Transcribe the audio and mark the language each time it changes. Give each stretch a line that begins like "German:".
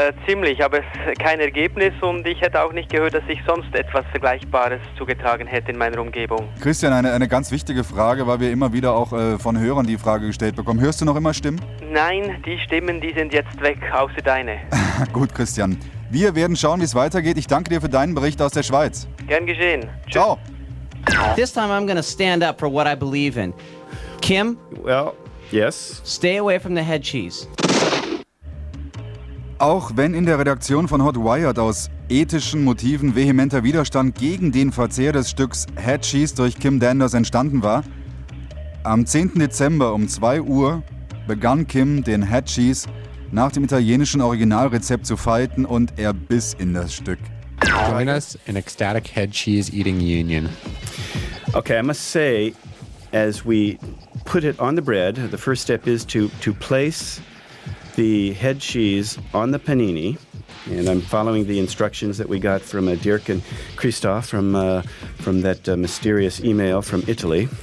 German: Ziemlich, aber kein Ergebnis und ich hätte auch nicht gehört, dass sich sonst etwas Vergleichbares zugetragen hätte in meiner Umgebung. Christian, eine ganz wichtige Frage, weil wir immer wieder auch von Hörern die Frage gestellt bekommen. Hörst du noch immer Stimmen? Nein, die Stimmen, die sind jetzt weg, außer deine. Gut, Christian. Christian, wir werden schauen, wie es weitergeht. Ich danke dir für deinen Bericht aus der Schweiz. Gern geschehen. Ciao.
English: This time I'm gonna stand up for what I believe in. Kim? Well, yes. Stay away from the head cheese.
German: Auch wenn in der Redaktion von Hot Wired aus ethischen Motiven vehementer Widerstand gegen den Verzehr des Stücks Head Cheese durch Kim Danders entstanden war, am 10. Dezember um 2 Uhr begann Kim, den Head Cheese nach dem italienischen Originalrezept zu falten, und er biss in das Stück.
English: Join us in ecstatic Head Cheese eating union. Okay, I must say, as we put it on the bread, the first step is to place the head cheese on the panini, and I'm following the instructions that we got from Dirk and Christoph from that mysterious email from Italy.